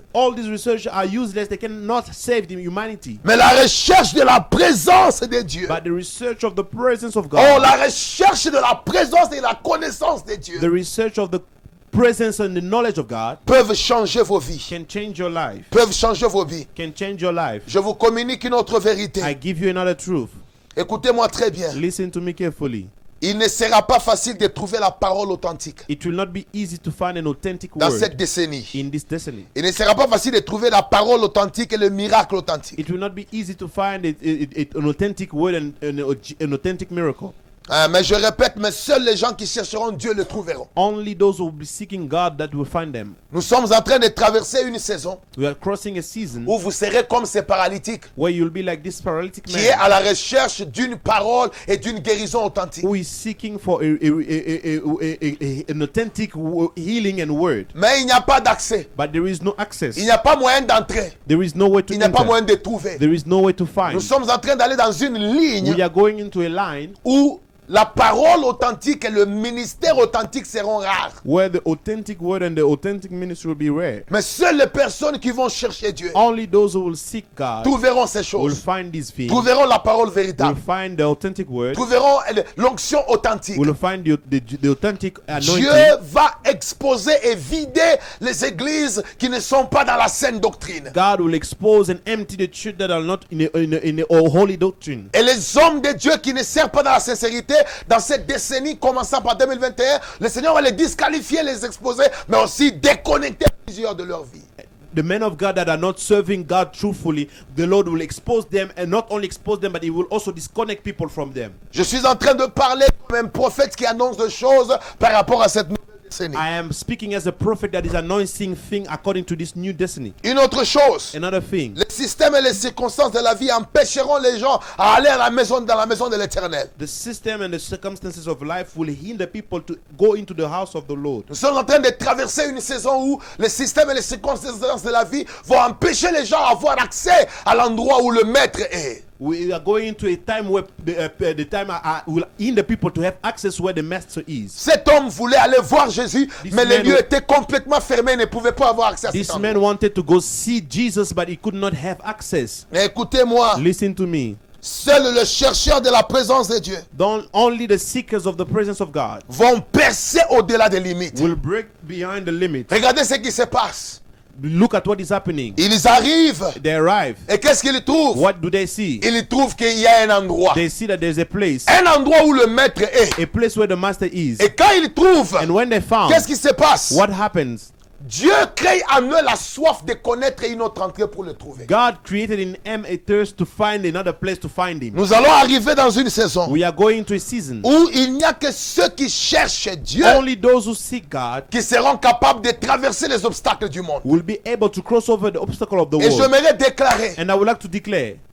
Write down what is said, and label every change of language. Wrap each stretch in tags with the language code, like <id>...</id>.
<en>All these research are useless, they cannot save the humanity.</en> <fr>Mais la recherche de la présence de Dieu.</fr> <en>But the research of the presence of God.</en> <fr>Oh, la recherche de la présence et la connaissance de Dieu.</fr> <en>The research of the presence and the knowledge of God</en> <fr>peuvent changer vos vies.</fr> <en>Can change your life.</en> <fr>Peuvent changer vos vies.</fr> <en>Can change your life.</en> <fr>Je vous communique une autre vérité.</fr> <en>I give you another truth.</en> <fr>Écoutez-moi très bien.</fr> <en>Listen to me carefully.</en> <fr>Il ne sera pas facile de trouver la parole authentique.</fr> <en>It will not be easy to find an authentic</en> <fr>dans</fr> <en>word</en> <fr>cette décennie.</fr> <en>In this decennie.</en> <fr>Il ne sera pas facile de trouver la parole authentique et le miracle authentique.</fr> <en>It will not be easy to find an authentic word and an authentic miracle.</en> <fr>Mais je répète, mais seuls les gens qui chercheront Dieu le trouveront.</fr> <en>Only those who will be seeking God that will find them.</en> <fr>Nous sommes en train de traverser une saison.</fr> <en>We are crossing a season.</en> <fr>Où vous serez comme ces paralytiques.</fr> <en>Where you'll be like this paralytic</en> <fr>qui</fr> <en>man.</en> <fr>Qui est à la recherche d'une parole et d'une guérison authentique.</fr> <en>Who is seeking for an authentic healing and word.</en> <fr>Mais il n'y a pas d'accès.</fr> <en>But there is no access.</en> <fr>Il n'y a pas moyen d'entrer.</fr> <en>There is no way to</en> <fr>enter. Il n'y a pas moyen de trouver.</fr> <en>There is no way to find.</en> <fr>Nous sommes en train d'aller dans une ligne.</fr> <en>We are going into a line.</en> <fr>Où la parole authentique et le ministère authentique seront rares.</fr> <en>Where the authentic word and the authentic ministry will be rare.</en> <fr>Mais seules les personnes qui vont chercher Dieu.</fr> <en>Only those who will seek God.</en> <fr>Trouveront ces choses.</fr> <en>Will find these things.</en> <fr>Trouveront la parole véritable.</fr> <en>Will find the authentic word.</en> <fr>Trouveront l'onction authentique.</fr> <en>Will find the authentic anointing.</en> <fr>Dieu va exposer et vider les églises qui ne sont pas dans la saine doctrine.</fr> <en>God will expose and empty the church that are not in a holy doctrine.</en> <fr>Et les hommes de Dieu qui ne servent pas dans la sincérité. Dans cette décennie commençant par 2021, le Seigneur va les disqualifier, les exposer, mais aussi déconnecter plusieurs de leur vie.</fr> <en>The men of God that are not serving God truthfully, the Lord will expose them, and not only expose them, but he will also disconnect people from them.</en> <fr>Je suis en train de parler comme un prophète qui annonce des choses par rapport à cette nouvelle décennie.</fr> <en>I am speaking as a prophet that is announcing things according to this new destiny.</en> <fr>Une autre chose.</fr> <en>Another thing.</en> <fr>Le système et les circonstances de la vie empêcheront les gens à aller à la maison dans la maison de l'Éternel.</fr> <en>The system and the circumstances of life will hinder people to go into the house of the Lord.</en> <fr>Nous sommes en train de traverser une saison où le système et les circonstances de la vie vont empêcher les gens d'avoir accès à l'endroit où le Maître est.</fr> <en>We are going into a time where the time will hinder people to have access where the Master is.</en> <fr>Cet homme voulait aller voir Jésus, mais le lieu était complètement fermé, ne pouvait pas avoir accès.</fr> <en>This man wanted to go see Jesus, but he could not have access.</en> <fr>Mais écoutez-moi.</fr> <en>Listen to me.</en> <fr>Seul le chercheur de la présence de Dieu.</fr> <en>Don't only the seekers of the presence of God.</en> <fr>Vont percer au-delà des limites.</fr> <en>Will break behind the limits.</en> <fr>Regardez ce qui se passe.</fr> <en>Look at what is happening.</en> <fr>Ils arrivent.</fr> <en>They arrive.</en> <fr>Et qu'est-ce qu'ils trouvent?</fr> <en>What do they see?</en> <fr>Ils trouvent qu'il y a un endroit.</fr> <en>They see that there's a place.</en> <fr>Un endroit où le maître est.</fr> <en>A place where the master is.</en> <fr>Et quand ils trouvent.</fr> <en>And when they found.</en> <fr>Qu'est-ce qui se passe?</fr> <en>What happens?</en> <fr>Dieu crée en eux la soif de connaître une autre entrée pour le trouver.</fr> <en>God created in them a thirst to find another place to find him.</en> <fr>Nous allons arriver dans une saison.</fr> <en>We are going to a season.</en> <fr>Où il n'y a que ceux qui cherchent Dieu.</fr> <en>Only those who seek God.</en> <fr>Qui seront capables de traverser les obstacles du monde.</fr> <en>Will be able to cross over the obstacle of the world.</en> <fr>Et j'aimerais déclarer.</fr> <en>And I would like to declare.</en>